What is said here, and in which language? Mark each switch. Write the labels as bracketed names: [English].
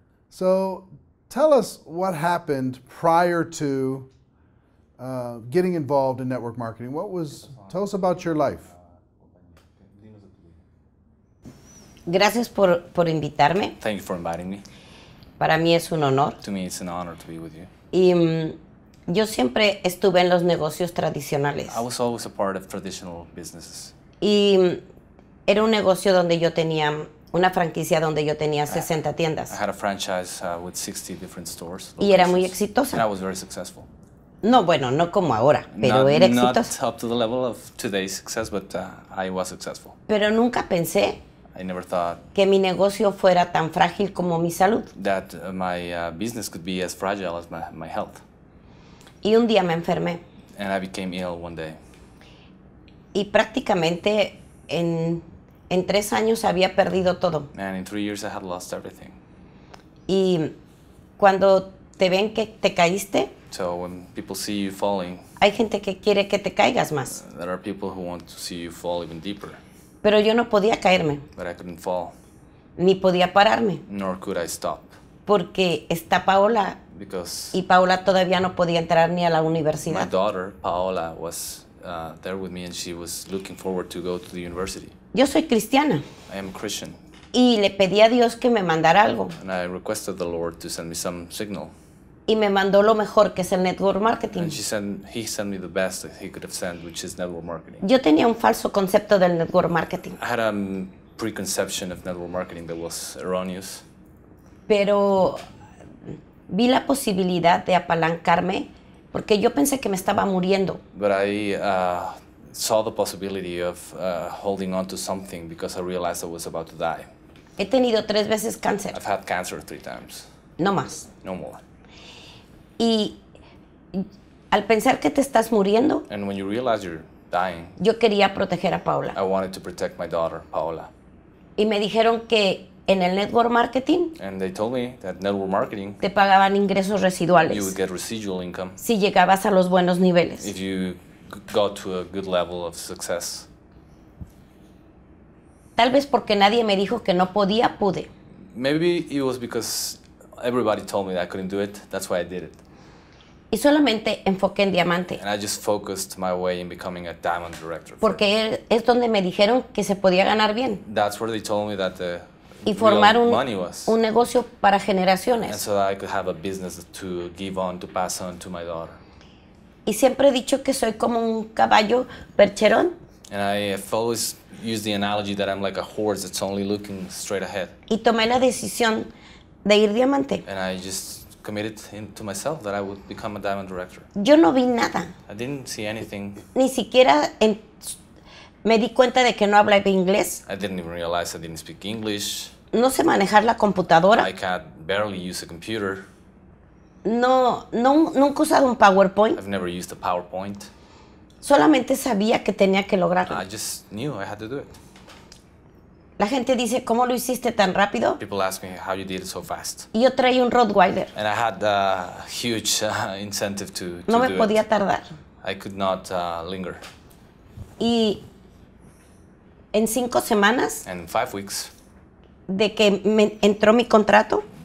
[English] So tell us what happened prior to getting involved in network marketing. Tell us about your life. [Spanish] Gracias por invitarme. [English] Thank you for inviting me. [Spanish] Para mí es un honor. [English] To me, it's an honor to be with you. [Spanish] Y yo siempre estuve en los negocios tradicionales. [English] I was always a part of traditional businesses. [Spanish] Y era un negocio donde yo tenía una franquicia donde yo tenía 60 tiendas. [English] I had a franchise with 60 different stores. [Spanish] Locations. Y era muy exitosa. [English] And I was very successful. [Spanish] No, bueno, no como ahora, pero [English] not, [Spanish] era exitosa. [English] Not up to the level of today's success, but I was successful. [Spanish] Pero nunca pensé. [English] I never thought [Spanish] que mi negocio fuera tan frágil como mi salud. [English] That my business could be as fragile as my health. [Spanish] Y un día me enfermé. [English] And I became ill one day. [Spanish] Y prácticamente en 3 años había perdido todo. [English] And in 3 years I had lost everything. [Spanish] Y cuando te ven que te caíste. [English] So when people see you falling. [Spanish] Hay gente que quiere que te caigas más. [English] There are people who want to see you fall even deeper. [Spanish] Pero yo no podía caerme. [English] But I couldn't fall. [Spanish] Ni podía pararme. [English] Nor could I stop. [Spanish] Porque está Paola. [English] Because. [Spanish] Y Paola todavía no podía entrar ni a la universidad. [English] My daughter, Paola, was there with me and she was looking forward to go to the university. [Spanish] Yo soy cristiana. [English] I am a Christian. [Spanish] Y le pedí a Dios que me mandara algo. [English] And I requested the Lord to send me some signal. [Spanish] Y me mandó lo mejor, que es el network marketing. [English] And he sent me the best that he could have sent, which is network marketing. [Spanish] Yo tenía un falso concepto del network marketing. [English] I had a preconception of network marketing that was erroneous. [Spanish] Pero vi la posibilidad de apalancarme porque yo pensé que me estaba muriendo. [English] But I saw the possibility of holding on to something because I realized I was about to die. [Spanish] He tenido 3 veces cáncer. [English] I've had cancer 3 times. [Spanish] No más. [English] No more. [Spanish] Y al pensar que te estás muriendo, [English] and when you realize you're dying, [Spanish] yo quería proteger a Paola. [English] I wanted to protect my daughter, Paola. [Spanish] Y me dijeron que en el network marketing, [English] and they told me that network marketing, [Spanish] te pagaban ingresos residuales. [English] You would get residual income. [Spanish] Si llegabas a los buenos niveles. [English] If you got to a good level of success. [Spanish] Tal vez porque nadie me dijo que no podía, pude. [English] Maybe it was because everybody told me that I couldn't do it. That's why I did it. [Spanish] Y solamente enfoqué en diamante. [English] And I just focused my way in becoming a diamond director. [Spanish] Porque es donde me dijeron que se podía ganar bien. [English] That's where they told me that the [Spanish] y formar [English] real [Spanish] un, [English] money was. [Spanish] Un negocio para generaciones. [English] And so that I could have a business to give on, to pass on to my daughter. [Spanish] Y siempre he dicho que soy como un caballo percherón. [English] And I have always used the analogy that I'm like a horse that's only looking straight ahead. [Spanish] Y tomé la decisión de ir diamante. [English] And I just committed to myself that I would become a diamond director. [Spanish] Yo no vi nada. [English] I didn't see anything. [Spanish] Ni siquiera me di cuenta de que no hablaba inglés. [English] I didn't even realize I didn't speak English. [Spanish] No sé manejar la computadora. [English] I can't barely use a computer. [Spanish] No, nunca he usado un PowerPoint. [English] I've never used a PowerPoint. [Spanish] Solamente sabía que tenía que lograrlo. [English] I just knew I had to do it. [Spanish] La gente dice, ¿cómo lo hiciste tan rápido? [English] People ask me, how you did it so fast? [Spanish] Y yo traía un Rottweiler. [English] And I had a huge incentive to [Spanish] no me [English] do [Spanish] podía [English] it. [Spanish] Tardar. [English] I could not linger. [Spanish] Y en 5 semanas. [English] And 5 weeks. [Spanish] De que me entró mi contrato.